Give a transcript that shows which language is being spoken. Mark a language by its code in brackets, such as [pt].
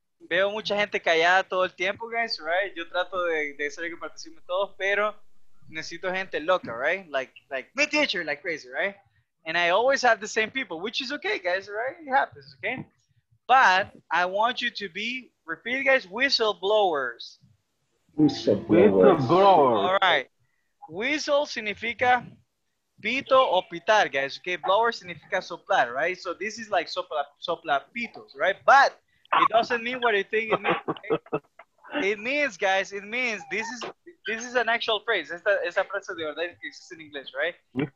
[es] Veo mucha gente callada todo el tiempo, guys, right? Yo trato de hacer que participen todos, pero necesito gente loca, right? [en] Like me teacher, like crazy, right? And I always have the same people, which is okay, guys, right? It happens, okay? But I want you to be, repeat, guys, whistleblowers. Whistleblowers. All right. [es] Whistle significa... Pito o pitar, guys. [en] Okay, blower significa soplar, right? So this is like [es] sopla pitos, [en] right? But it doesn't mean what you think it means. Okay? It means, guys. It means this is an actual phrase. [es] Esta frase de verdad que existe en inglés, right?